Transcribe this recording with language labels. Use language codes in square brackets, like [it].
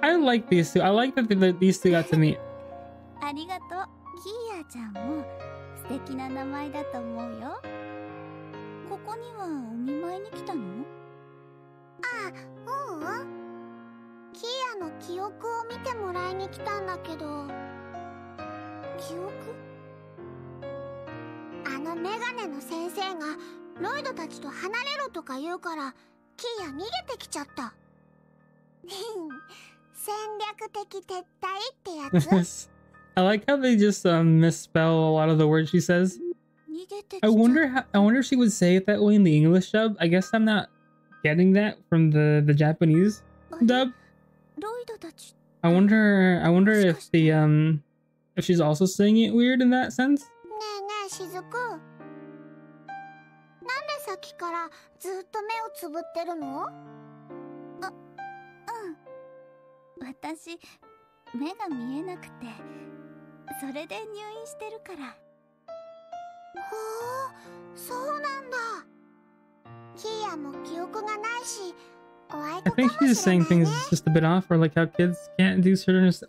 [en] I like these two. I like that these two got to meet. [ja] ありがとう。キーヤちゃんも素敵な名前だと思うよ。ここにはお見舞いに来たの？あ、うん。キーヤの記憶を見てもらいに来たんだけど。記憶？あのメガネの先生がロイドたちと離れろとか言うから、キーヤ逃げてきちゃった。戦略的撤退ってやつ。 [en] I like how they just misspell a lot of the words she says. I wonder if she would say it that way in the English dub. I guess I'm not getting that from the Japanese dub. I wonder if the, if she's also saying it weird in that sense? [ja] ねえねえ、しずく。なんでさっきからずっと目をつぶってるの？あ、うん。私、目が見えなくて、それで入院してるから。ほう、そうなんだ。キーヤも記憶がないし、 [en] I think she's just saying things just a bit off, or like how kids can't do certain sounds.